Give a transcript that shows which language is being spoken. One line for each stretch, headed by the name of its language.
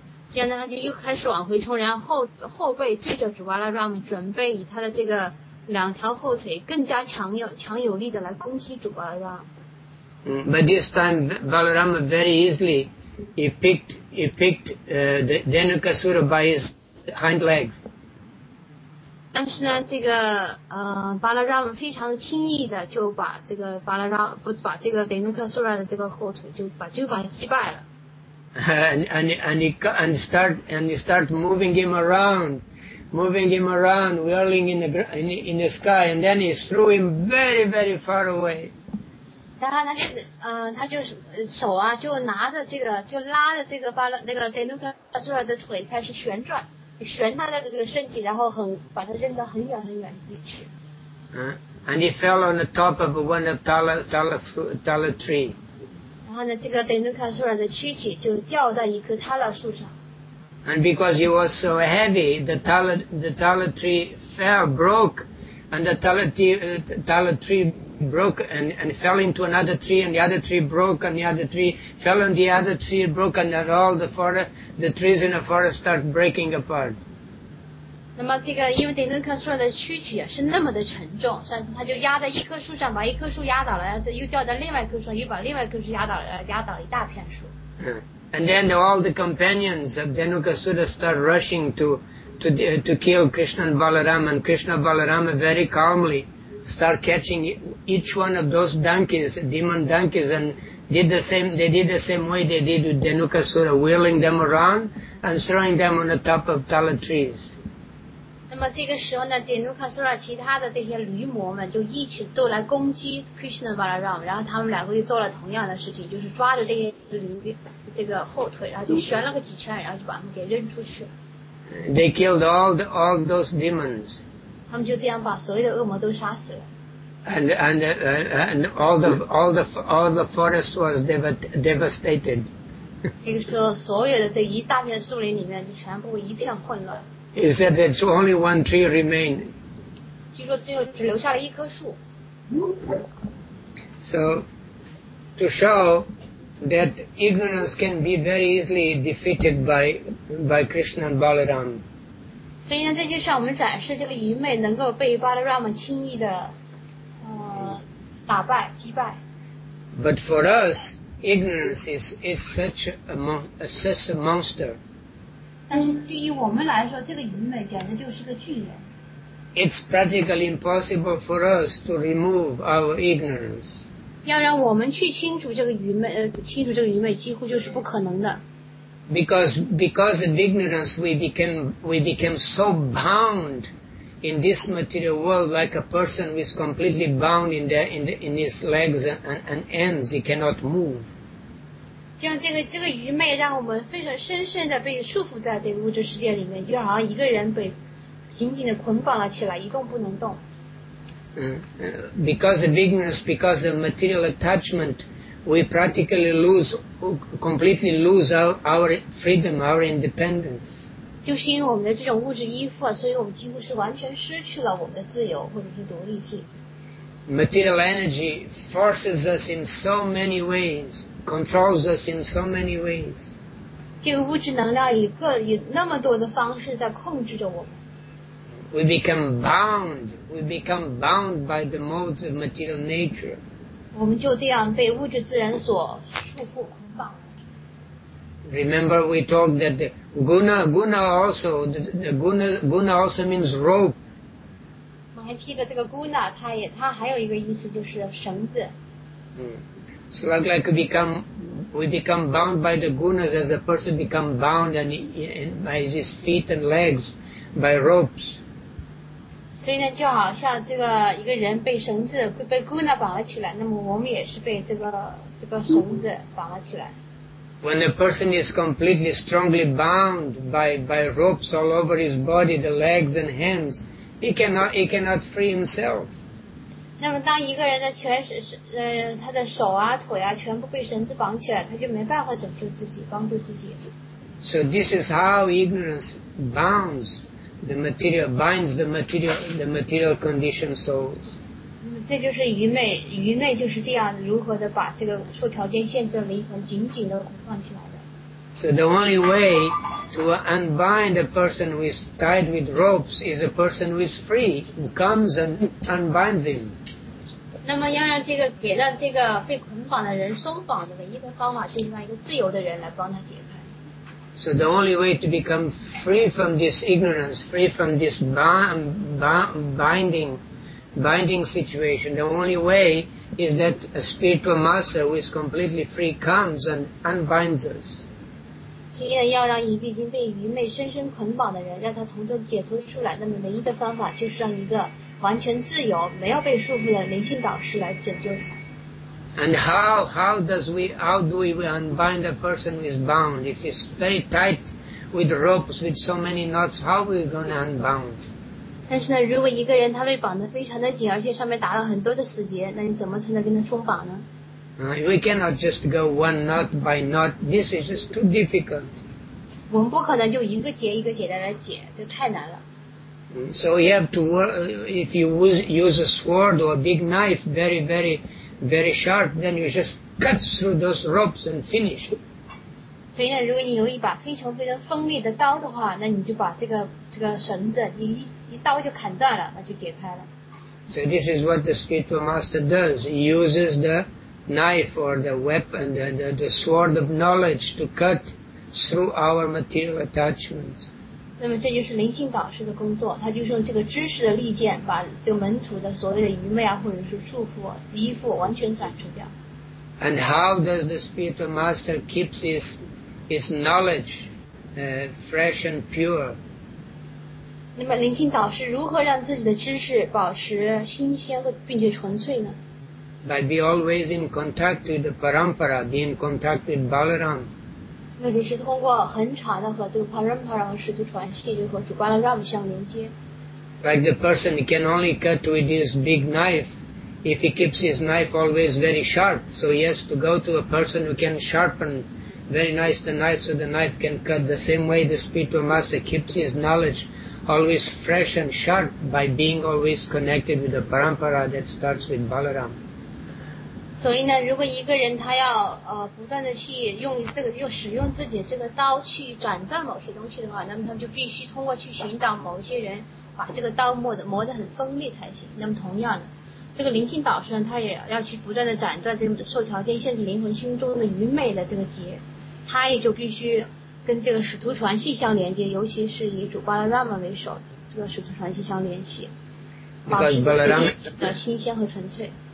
Chinese: 现在他就又开始往回冲，然后后背对着主 Balaram， 准备以他的这个两条后腿更加强有力的来攻击主 Balaram。
English: But this time Balaram very easily he picked the Janukasura by his hind legs.
Chinese: 但是呢，这个巴拉拉姆非常轻易的就把这个巴拉拉不把这个雷努克苏拉的这个后腿就把他击败了。
English: And he start moving him around, whirling in the sky, and then he threw him very very far away.
Chinese: 然后他就手啊就拿着这个就拉着这个巴拉那个雷努克苏拉的腿开始旋转。旋他的这个身体，然后把他扔到很远很远的地去。
English: And he fell on the top of one of Tala tree.
Chinese: 然后呢，这个德努卡苏尔的躯体就掉在一棵塔拉树上。
English: And because he was so heavy, the Tala tree fell, broke, and the Tala tree broke and fell into another tree, and the other tree broke, and the other tree fell on the other tree, broke, and that all the trees in the forest start breaking apart.
Chinese: 那么这个因为丁丁克说的躯体是那么的沉重，上次他就压在一棵树上，把一棵树压倒了，然后又掉在另外一棵树上，又把另外一棵树压倒了一大片树。
English: And then all the companions of Janukasura start rushing to kill Krishna and Balaram, and Krishna and Balaram very calmly start catching each one of those donkeys, demon donkeys, and did the same way they did with Janukasura, wheeling them around and throwing them on the top of tala trees.
Chinese: 那么这个时候呢 ，Janukasura 其他的这些驴魔们就一起都来攻击 Krishna Balaram， 然后他们两个又做了同样的事情，就是抓着这些驴这个后腿，然后就旋了个几圈，然后就把他们给扔出去。
English: They killed all those demons.
Chinese: 他们就这样把所有的恶魔都杀死了。
English: And all the forest was devastated.
Chinese: 这个时候，所有的这一大片树林里面就全部一片混乱。
English: He said that only one tree remained.
Chinese: 据说最后只留下了一棵树。
English: So to show that ignorance can be very easily defeated by Krishna and Balaram.
Chinese: 所以呢，这就是我们展示这个愚昧能够被巴拉拉姆轻易的，打败击败。
English: But for us, ignorance is such a monster.
Chinese: 但是对于我们来说，这个愚昧简直就是个巨人。
English: It's practically impossible for us to remove our ignorance.
Chinese: 要让我们去清除这个愚昧，清除这个愚昧几乎就是不可能的。
English: Because of ignorance, we became so bound in this material world like a person who is completely bound in his legs and ends. He cannot move.
Chinese: 像这个愚昧让我们非常深深的被束缚在这个物质世界里面，就好像一个人被紧紧的捆绑了起来，一动不能动。
English: Because of ignorance, because of material attachment, we practically completely lose our freedom, our independence.
Chinese: 就是因为我们的这种物质依附，所以我们几乎是完全失去了我们的自由或者是独立性。
English: Material energy forces us in so many ways. Controls us in so many ways.
Chinese: 这个物质能量以那么多的方式在控制着我们。
English: We become bound. We become bound by the modes of material nature.
Chinese: 我们就这样被物质自然所束缚捆绑。
English: Remember, we talked that guna also means rope.
Chinese: 我们还记得这个 guna， 它还有一个意思就是绳子。
English: So we become bound by the gunas as a person become bound and by his feet and legs by ropes.
Chinese: 所以呢，就好像这个一个人被绳子被 guna 绑了起来，那么我们也是被这个绳子绑了起来。
English: When a person is completely strongly bound by ropes all over his body, the legs and hands, he cannot free himself.
Chinese: 那么当一个人的他的手啊腿啊全部被绳子绑起来，他就没办法拯救自己帮助自己。
English: So this is how ignorance binds the material conditioned souls.
Chinese: 这就是愚昧就是这样如何的把这个受条件限制的灵魂紧紧的捆绑起来的。
English: So the only way to unbind a person who is tied with ropes is a person who is free, who comes and unbinds him.
Chinese: 那么要让这个被捆绑的人松绑的唯一的方法，就是让一个自由的人来帮他解开。
English: So the only way to become free from this ignorance, free from this binding situation, the only way is that a spiritual master who is completely free comes and unbinds us.
Chinese: 所以呢，要让一个已经被愚昧深深捆绑的人，让他从中解脱出来，那么唯一的方法就是让一个。完全自由没有被束缚的灵性导师来拯救他。
English: And how do we unbind a person who is bound? If he's very tight with ropes with so many knots, how are we going to unbound?
Chinese: 但是呢，如果一个人他被绑得非常的紧，而且上面打了很多的死结，那你怎么才能跟他松绑呢？
English: We cannot just go one knot by knot. This is just too difficult.
Chinese: 我们不可能就一个结一个结的来解，就太难了。
English: So you have to work, if you use a sword or a big knife, very, very, very sharp, then you just cut through those ropes and finish.
Chinese: 所以呢，如果你有一把非常非常锋利的刀的话，那你就把这个绳子，你一刀就砍断了，那就解开了。
English: So this is what the spiritual master does. He uses the knife or the weapon, the sword of knowledge to cut through our material attachments.
Chinese: 那么这就是灵性导师的工作，他就是用这个知识的利剑，把这个门徒的所谓的愚昧啊，或者是束缚、依附完全斩除掉。
English: And how does the spiritual master keep his knowledge, fresh and pure?
Chinese: 那么灵性导师如何让自己的知识保持新鲜和并且纯粹呢
English: ？By be always in contact with the parampara, be in contact with Balaram.
Chinese: 那就是通过恒常的和这个 parampara 和师徒传系，就和主观的 Ram 相连接。
English: Like the person can only cut with his big knife if he keeps his knife always very sharp, so he has to go to a person who can sharpen very nice the knife so the knife can cut. The same way the spiritual master keeps his knowledge always fresh and sharp by being always connected with the parampara that starts with Balaram.
Chinese: 所以呢，如果一个人他要不断的去用这个用使用自己这个刀去斩断某些东西的话，那么他们就必须通过去寻找某些人把这个刀磨得很锋利才行。那么同样的，这个灵性导师呢，他也要去不断的斩断这个受条件限制灵魂心中的愚昧的这个结，他也就必须跟这个使徒传系相连接，尤其是以主巴拉拉玛为首这个使徒传系相联系，保持自己的新鲜和纯粹。